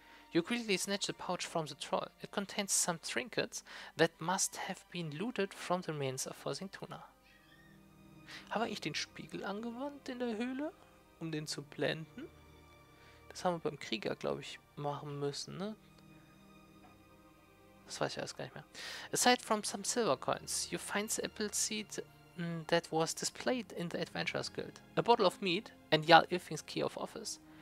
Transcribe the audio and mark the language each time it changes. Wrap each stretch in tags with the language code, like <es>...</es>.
<en>You quickly snatch the pouch from the troll. It contains some trinkets that must have been looted from the remains of Horsingtuna.</en> <de>Habe ich den Spiegel angewandt in der Höhle, um den zu blenden? Das haben wir beim Krieger, glaube ich, machen müssen, ne? Das weiß ich erst gar nicht mehr.</de> <en>Aside from some silver coins, you find the apple seed that was displayed in the Adventurer's Guild. A bottle of mead and Jarl Ilfing's key of office.</en>